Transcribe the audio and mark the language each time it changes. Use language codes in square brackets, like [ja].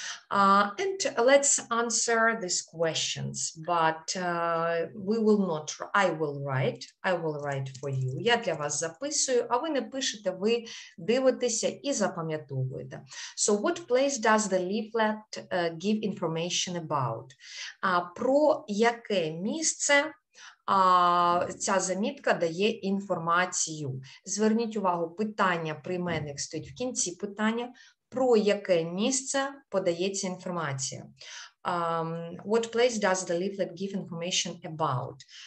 [en] And let's answer these questions, but we will not, I will write for you. [uk] Я для вас записую, а ви напишете, ви дивитеся і запам'ятовуєте. [en] So what place does the leaflet give information about? [uk] Про яке місце ця замітка дає інформацію? Зверніть увагу, питання прийменник стоїть в кінці питання. Про яке місце подається інформація? [en] What place does the leaflet give information about?